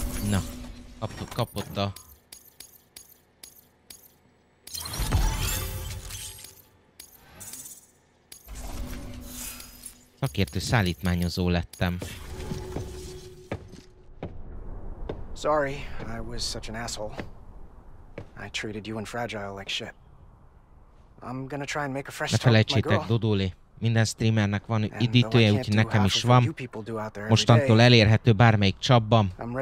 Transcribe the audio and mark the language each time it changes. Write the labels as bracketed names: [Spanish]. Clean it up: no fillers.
[Hungarian] Na, kapott a Szakértő szállítmányozó lettem. [English] Sorry, I was such an asshole. I treated you and Fragile like shit. I'm gonna try and make a fresh start. [Hungarian] Ne felejtsétek, Dodoli. Minden streamernek van üdítője, úgyhogy nekem is van. Mostantól elérhető bármelyik csapban.